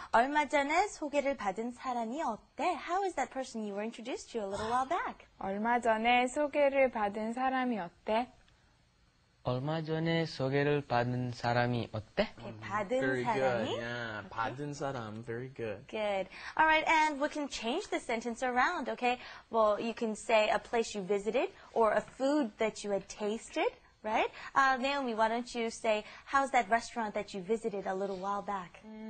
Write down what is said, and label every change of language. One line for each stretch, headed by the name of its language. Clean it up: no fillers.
Korean: 얼마 전에 소개를 받은 사람이 어때?
English: How is that person you were introduced to a little while back?
Korean: 얼마 전에 소개를 받은 사람이 어때? 얼마 전에 소개를 받은 사람이 어때?
English: Okay,
Korean: 받은
English: very
Korean: 사람이?
English: Good, yeah, okay.
Korean: 받은 사람,
English: very good. Good. All right, and we can change the sentence around, okay? Well, you can say a place you visited or a food that you had tasted, right? Naomi, why don't you say, how's that restaurant that you visited a little while back?